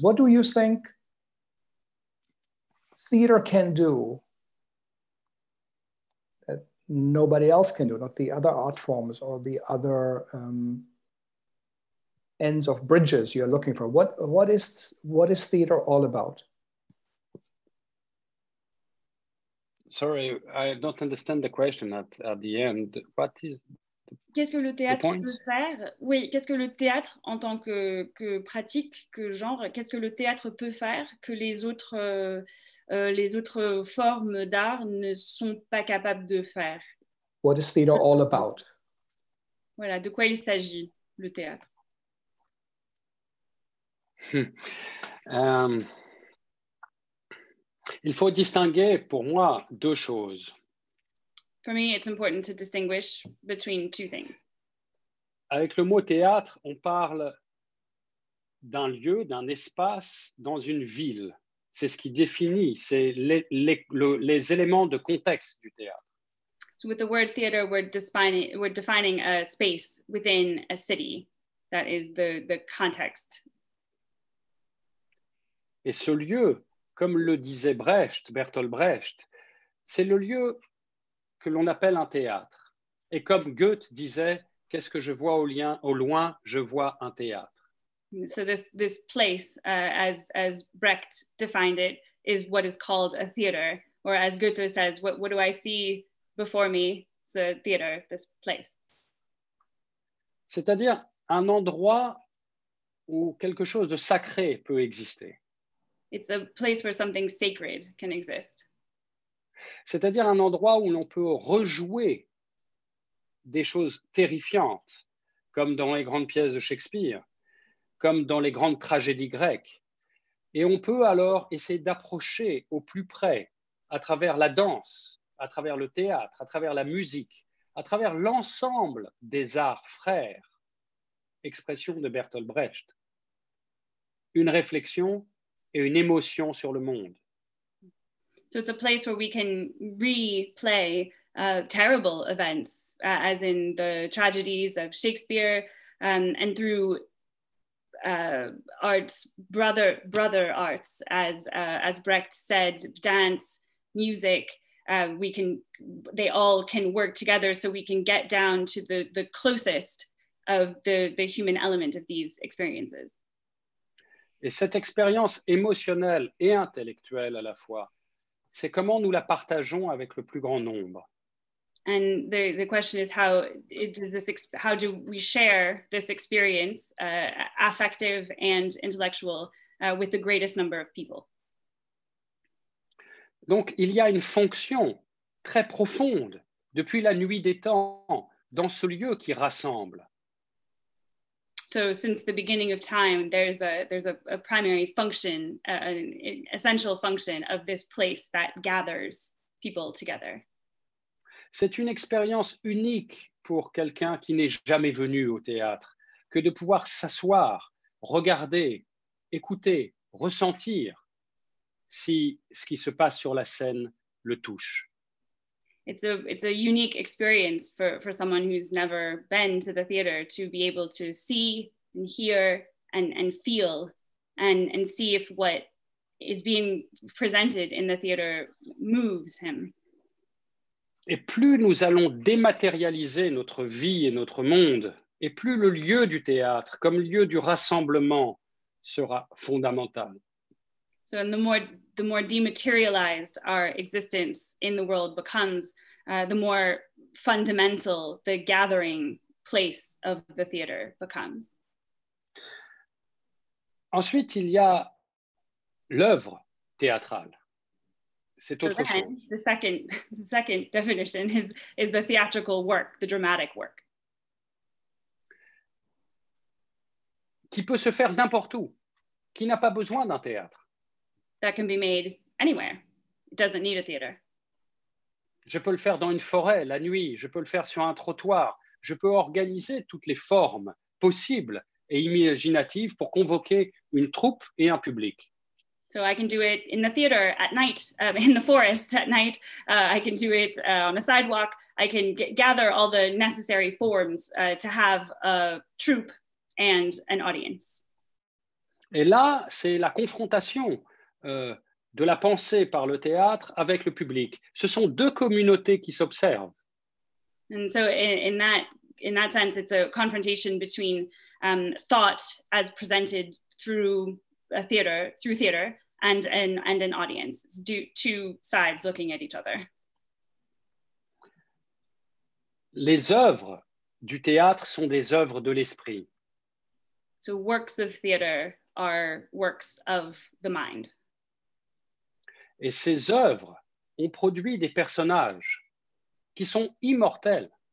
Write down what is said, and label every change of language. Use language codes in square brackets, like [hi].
[en] What do you think theater can do that nobody else can do, not the other art forms or the other ends of bridges you're looking for? What is theater all about? Sorry, I don't understand the question at the end. What is [fr] qu'est-ce que le théâtre peut faire? Oui, qu'est-ce que le théâtre en tant que pratique, que genre, qu'est-ce que le théâtre peut faire que les autres formes d'art ne sont pas capables de faire? [en] What is theater all about? [fr] Voilà, de quoi il s'agit, le théâtre? Il faut distinguer pour moi deux choses. [en] For me, it's important to distinguish between two things. [fr] Avec le mot théâtre, on parle d'un lieu, d'un espace dans une ville. C'est ce qui définit, c'est les éléments de contexte du théâtre. [en] So with the word theater, we're defining a space within a city. That is the context. [fr] Et ce lieu, comme le disait Bertolt Brecht, c'est le lieu que l'on appelle un théâtre. Et comme Goethe disait, qu'est-ce que je vois au loin, je vois un théâtre. [en] So this place, as Brecht defined it, is what is called a theater. Or as Goethe says, what do I see before me? It's a theater, this place. [fr] C'est-à-dire un endroit où quelque chose de sacré peut exister. [en] It's a place where something sacred can exist. [fr] C'est-à-dire un endroit où l'on peut rejouer des choses terrifiantes, comme dans les grandes pièces de Shakespeare, comme dans les grandes tragédies grecques. Et on peut alors essayer d'approcher au plus près, à travers la danse, à travers le théâtre, à travers la musique, à travers l'ensemble des arts frères, expression de Bertolt Brecht, une réflexion et une émotion sur le monde. [en] So it's a place where we can replay terrible events, as in the tragedies of Shakespeare, and through arts, brother arts, as Brecht said, dance, music, they all can work together, so we can get down to the closest of the human element of these experiences. [fr] Et cette expérience émotionnelle et intellectuelle à la fois, c'est comment nous la partageons avec le plus grand nombre. [en] And the question is how do we share this experience, affective and intellectual, with the greatest number of people? [fr] Donc il y a une fonction très profonde depuis la nuit des temps dans ce lieu qui rassemble. [en] So since the beginning of time, there's a primary function, an essential function of this place that gathers people together. [fr] C'est une expérience unique pour quelqu'un qui n'est jamais venu au théâtre que de pouvoir s'asseoir, regarder, écouter, ressentir si ce qui se passe sur la scène le touche. [en] It's a unique experience for someone who's never been to the theater to be able to see and hear and feel and see if what is being presented in the theater moves him. [fr] Et plus nous allons dématérialiser notre vie et notre monde, et plus le lieu du théâtre comme lieu du rassemblement sera fondamental. [en] So and the more dematerialized our existence in the world becomes, the more fundamental the gathering place of the theater becomes. [fr] Ensuite, il y a l'œuvre théâtrale. c'est autre chose. [en] The second definition is the theatrical work, the dramatic work. [fr] Qui peut se faire n'importe où, qui n'a pas besoin d'un théâtre. [en] That can be made anywhere. It doesn't need a theater. [fr] Je peux le faire dans une forêt, la nuit, je peux le faire sur un trottoir, je peux organiser toutes les formes possibles et imaginatives pour convoquer une troupe et un public. [en] So I can do it in the theater at night, in the forest at night, I can do it on a sidewalk, I can gather all the necessary forms to have a troupe and an audience. [fr] Et là, c'est la confrontation de la pensée par le théâtre avec le public. Ce sont deux communautés qui s'observent. [en] And so in that sense, it's a confrontation between thought as presented through a theater, and an audience. It's two sides looking at each other. [fr] Les œuvres du théâtre sont des œuvres de l'esprit. [en] So works of theater are works of the mind. [fr] Et ces œuvres ont produit des personnages qui sont immortels.